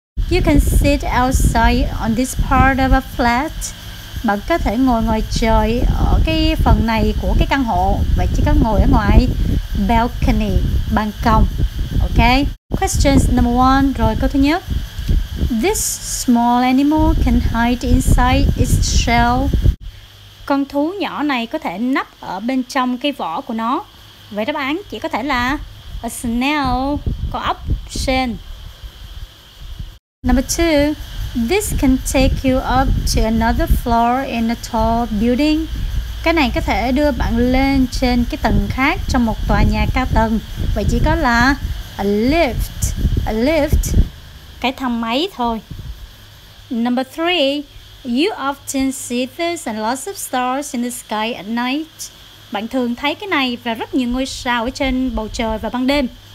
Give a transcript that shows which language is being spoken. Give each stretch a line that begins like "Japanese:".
English: You can sit outside on this part of a flat.
Vietnamese: Bạn có thể ngồi ngoài trời ở cái phần này của cái căn hộ. Vậy chỉ có ngồi ở ngoài. Balcony, ban công. Ok.
English: Questions number one.
Vietnamese: Rồi câu thứ nhất.
English: This small animal can hide inside its shell.
Vietnamese: Con thú nhỏ này có thể nấp ở bên trong cái vỏ của nó. Vậy đáp án chỉ có thể là a snail, con ốc sên.
English: Number two, this can take you up to another floor in a tall building.
Vietnamese: Cái này có thể đưa bạn lên trên cái tầng khác trong một tòa nhà cao tầng. Vậy chỉ có là a lift, cái thang máy thôi.
English: Number three, you often see this and lots of stars in the sky at night.
Vietnamese: Bạn thường thấy cái này và rất nhiều ngôi sao ở trên bầu trời vào ban đêm.